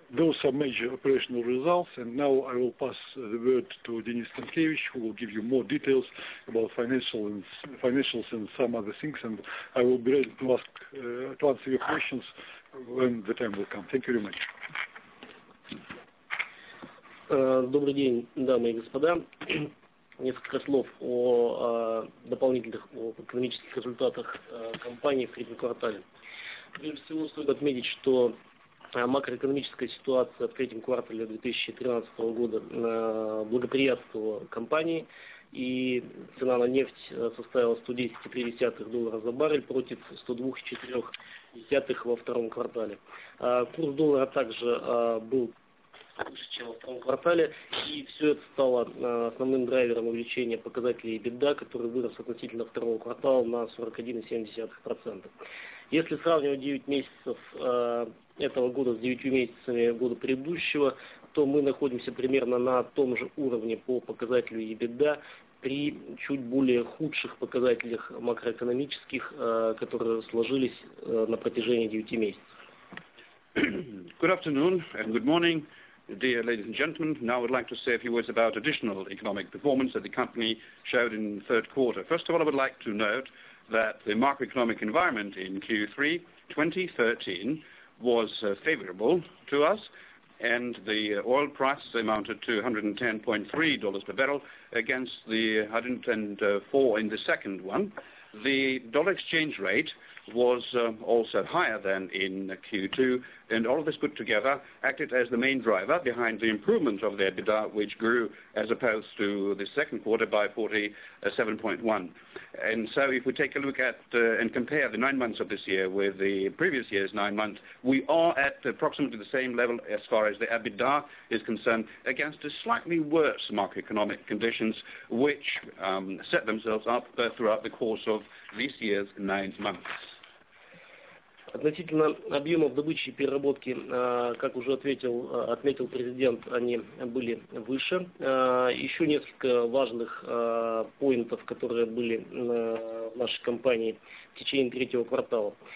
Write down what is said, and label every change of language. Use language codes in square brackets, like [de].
[en] Those are major operational results, and now I will pass the word to Denis Stankevich, who will give you more details about financials and some other things, and I will be ready to answer your questions when the time will come. Thank you very much. [ru] Добрый день, дамы и господа. Несколько слов о дополнительных экономических результатах компании в третьем квартале. Прежде всего, стоит отметить, что макроэкономическая ситуация в третьем квартале 2013 года благоприятствовала компании, и цена на нефть составила 110,3 доллара за баррель против 102,4 во втором квартале. Курс доллара также был выше, чем во втором квартале, и все это стало основным драйвером увеличения показателей EBITDA, который вырос относительно второго квартала на 41,7%. Если сравнивать 9 месяцев этого года с 9 месяцами года предыдущего, то мы находимся примерно на том же уровне по показателю EBITDA при чуть более худших показателях макроэкономических, которые сложились на протяжении 9 месяцев. [en] Good afternoon and good morning, dear ladies and gentlemen. Now I would like to say a few words about additional economic performance that the company showed in the third quarter. First of all, I would like to note that the macroeconomic environment in Q3 2013 was favorable to us, and the oil price amounted to $110.3 per barrel against the $104 in the second one. The dollar exchange rate was also higher than in Q2, and all of this put together acted as the main driver behind the improvement of the EBITDA, which grew as opposed to the second quarter by 47.1. And so if we take a look at and compare the 9 months of this year with the previous year's 9 months, we are at approximately the same level as far as the EBITDA is concerned against a slightly worse macroeconomic conditions which set themselves up throughout the course of this year's 9 months. [ru] Относительно объемов добычи и переработки, как уже отметил президент, они были выше. Еще несколько важных поинтов, которые были в нашей компании в течение третьего квартала.